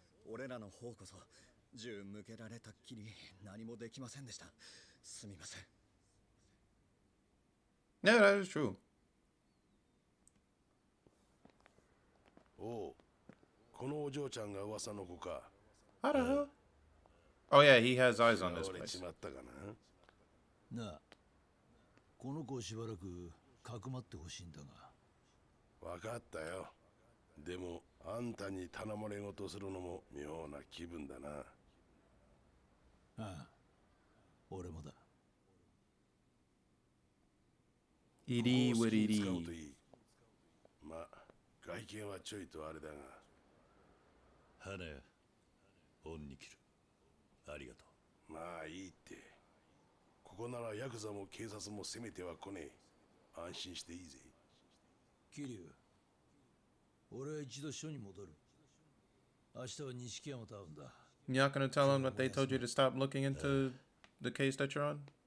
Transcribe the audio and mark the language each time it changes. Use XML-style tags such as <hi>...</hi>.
<ja>俺らの方こそ銃向けられたっきり何もできませんでした。すみません。</ja> <en>Yeah, that is true.</en> <ja>Oh, このお嬢ちゃんが噂の子か。あら。</ja> <en>Oh yeah, he has eyes on this place.</en> <ja>まったかな。なあ、この子をしばらくかくまってほしいんだが。わかったよ。でも、あんたに頼まれ事するのも妙な気分だな。ああ、俺もだ。イリーウェリリー。まあ、外見はちょいとあれだが。花屋、恩に着る。ありがとう。まあいいって。ここならヤクザも警察も攻めてはこねえ。安心していいぜ。キリュウ。俺は一度署に戻る。明日は錦山と会うんだ。</ja> <en>You're not gonna tell them that they told you to stop looking into the case that you're on?</en>